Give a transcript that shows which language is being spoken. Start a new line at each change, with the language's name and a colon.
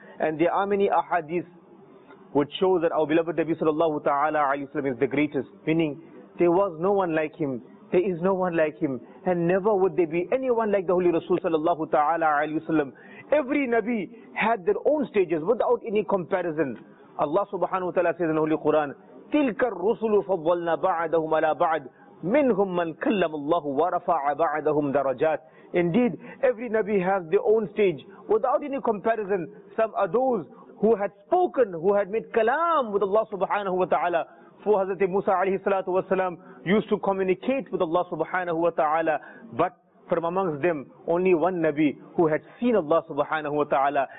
English: And there are many ahadith which show that our beloved Nabi sallallahu ta'ala alayhi wa sallam is the greatest. Meaning, there was no one like him. There is no one like him. And never would there be anyone like the Holy Rasul sallallahu ta'ala alayhi wa sallam. Every Nabi had their own stages without any comparison. Allah subhanahu wa ta'ala says in the Holy Quran,
Arabic: تِلْكَ الرُّسُلُ فَضَّلْنَا بَعَدَهُمْ عَلَىٰ بَعَدٍ مِّنْهُمْ مَنْ كَلَّمُ اللَّهُ وَرَفَعَ بَعَدَهُمْ دَرَجَاتٍ.
English: Indeed, every Nabi has their own stage. Without any comparison, some are those who had spoken, who had made kalam with Allah subhanahu wa ta'ala. For Hazrat Musa alayhi salatu wa salam used to communicate with Allah subhanahu wa ta'ala. But from amongst them, only one Nabi who had seen Allah subhanahu wa ta'ala.